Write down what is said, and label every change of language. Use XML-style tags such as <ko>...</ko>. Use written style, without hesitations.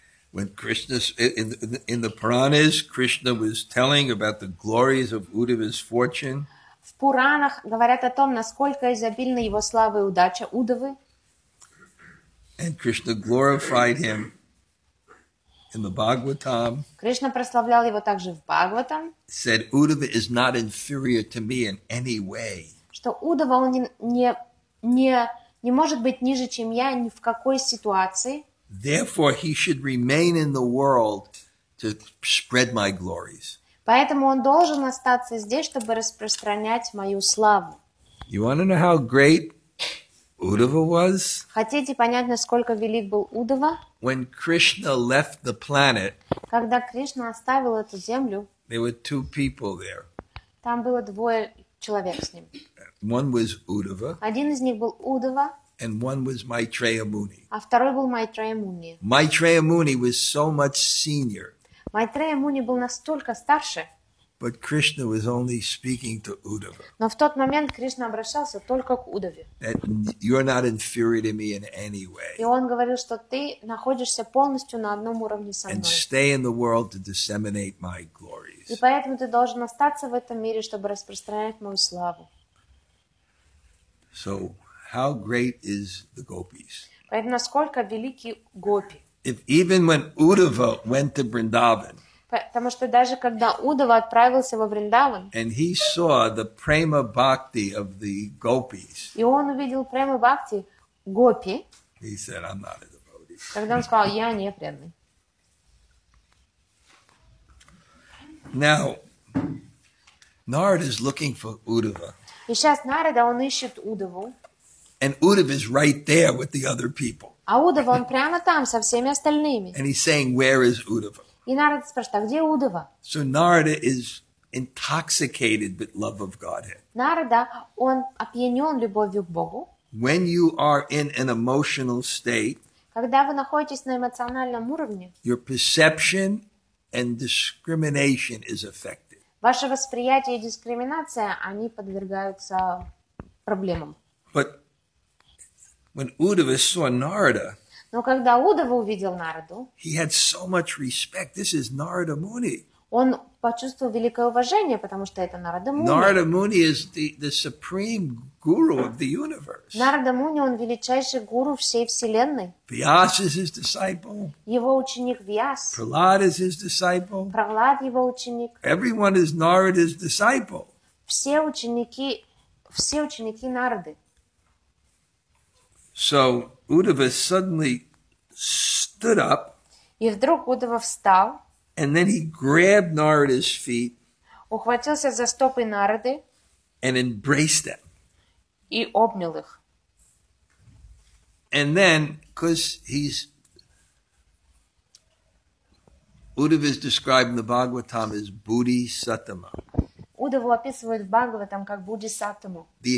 <en>When Krishna in the Puranas, Krishna was telling about the glories of Uddhava's fortune.</en> <ru>В Пуранах говорят о том, насколько изобильна его слава и удача Уддхавы.</ru> <en>And Krishna glorified him in the Bhagavatam.</en> <ru>Кришна прославлял его также в Бхагаватам.</ru> <en>Said Uddhava is not inferior to me in any way.</en> <ru>Что Уддхава он не может быть ниже, чем я, ни в какой ситуации.</ru> <en>Therefore, he should remain in the world to spread my glories.</en> <ru>Поэтому он должен остаться здесь, чтобы распространять мою славу.</ru> <en>You want to know how great Uddhava was?</en> <ru>Хотите понять, насколько велик был Уддхава?</ru> <en>When Krishna left the planet,</en> <ru>когда Кришна оставил эту землю,</ru> <en>there were two people there.</en> <ru>Там было двое человек с ним.</ru> <en>One was Uddhava.</en> <ru>Один из них был Уддхава.</ru> <en>And one was Maitreya Muni.</en> <ru>А второй был Maitreya Muni.</ru> <en>Maitreya Muni was so much senior.</en> <ru>Maitreya Muni был настолько старше.</ru> <en>But Krishna was only speaking to Uddhava.</en> <ru>Но в тот момент Кришна обращался только к Уддхаве.</ru> <en>That you're not inferior to me in any way.</en> <ru>И он говорил, что ты находишься полностью на одном уровне со мной.</ru> <en>And stay in the world to disseminate my glories.</en> <ru>И поэтому ты должен остаться в этом мире, чтобы распространять мою славу.</ru> <en>So, how great is the gopis?</en> <ru>Поэтому насколько велики гопи?</ru> <en>If even when Uddhava went to Vrindavan,</en> <ru>потому что даже когда Уддхава отправился во Вриндаван,</ru> <en>and he saw the prema bhakti of the gopis,</en> <ru>и он увидел prema bhakti гопи,</ru> <en>he said, "I'm not a devotee."</en> <ru>Тогда он сказал, я не преданный.</ru> <en>Now, Narada is looking for Uddhava.</en> <ru>И сейчас Нарада, он ищет Уддхаву.</ru> <en>And Uddhava is right there with the other people.</en> <ru>А Уддхава, он прямо там со всеми остальными.</ru> <en>And he's saying, where is Uddhava?</en> <ru>И Нарада спрашивает, а где Уддхава?</ru> <en>So Narada is intoxicated with love of Godhead.</en> <ru>Нарада, он опьянен любовью к Богу.</ru> <en>When you are in an emotional state,</en> <ru>когда вы находитесь на эмоциональном уровне,</ru> <en>your perception and discrimination is affected.</en> <ru>Ваше восприятие и дискриминация, они подвергаются проблемам.</ru> <en>But when Uddhava saw Narada,</en> <ru>Но когда Удава увидел Нараду,</ru> <en>he had so much respect. This is Narada Muni.</en> <ru>Он почувствовал великое уважение, потому что это Нарада Муни.</ru> <en>Narada Muni is the supreme guru of the universe.</en> <ru>Нарада Муни, он величайший гуру всей вселенной.</ru> <en>Vyasa is his disciple.</en> <ru>Его ученик Вьяс.</ru> <en>Prahlad is his disciple.</en> <ru>Prahlad его ученик.</ru> <en>Everyone is Narada's disciple.</en> <ru>Все ученики Нарады.</ru> <en>So Uddhava suddenly stood up.</en> <ru>И вдруг Удава встал.</ru> <en>And then he grabbed Narada's feet.</en> <ru>Ухватился за стопы Нарады.</ru> <en>And embraced them.</en> <ru>И обнял их.</ru> <en>And then, because he's Uddhava is described in the Bhagavatam as Bodhisattva.</en> <ru>Удаву описывают в Бхагаватам как Бодхисаттву.</ru>